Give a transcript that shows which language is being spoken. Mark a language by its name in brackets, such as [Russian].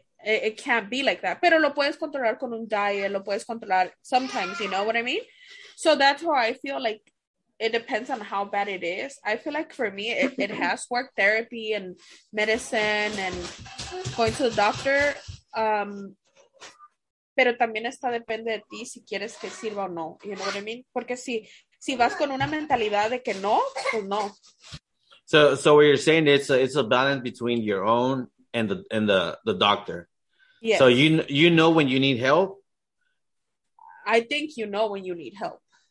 [English] It can't be like that. [Spanish] Pero lo puedes controlar con un [English] diet. [Spanish] Lo puedes controlar [English] sometimes. You know what I mean? So that's why I feel like it depends on how bad it is. I feel like for me, it has worked, therapy and medicine and going to the doctor. [Spanish] Pero también está depende de ti si quieres que sirva o no. [English] You know what I mean? [Spanish] Porque si vas con una mentalidad de que no, pues no. [English] So what you're saying is it's a balance between your own and the doctor. Yes. So you know when you need help? I think you know when you need help.